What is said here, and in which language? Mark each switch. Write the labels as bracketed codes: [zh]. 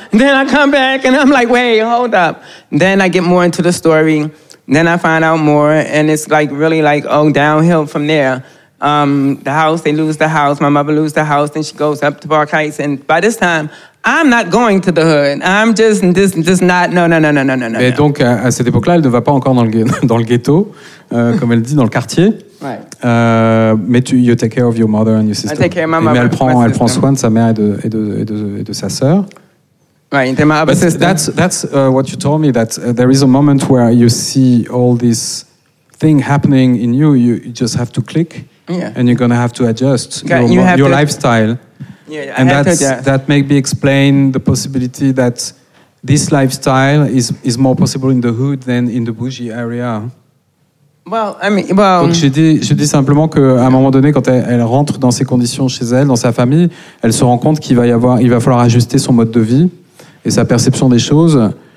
[en] Then I come back, and I'm like, wait, hold up. Then I get more into the story. Then I find out more, and it's like really like, downhill from there. The house, they lose the house. My mother loses the house. Then she goes up to Park Heights. And by this time, I'm not going to the hood. I'm just not, no. [fr] Et donc, à cette époque-là, elle ne va pas encore dans le ghetto, comme elle dit, dans le quartier. [en] Mais tu, you take care of your mother and your sister. I take care of my mother. [fr] Mais elle prend soin de sa mère et de sa sœur. [en] Right, and my other sister. But that's what you told me, that there is a moment where you see all this thing happening in you. You just have to click. Yeah. And you're going to have to adjust your lifestyle. Yeah, and that maybe explain the possibility that this lifestyle is more possible in the hood than in the bougie area. Well, I mean, well. [fr] Donc je dis simplement qu'à un moment donné, quand elle rentre dans ces conditions chez elle, dans sa famille, elle se rend compte qu'il va falloir ajuster son mode de vie et sa perception des choses.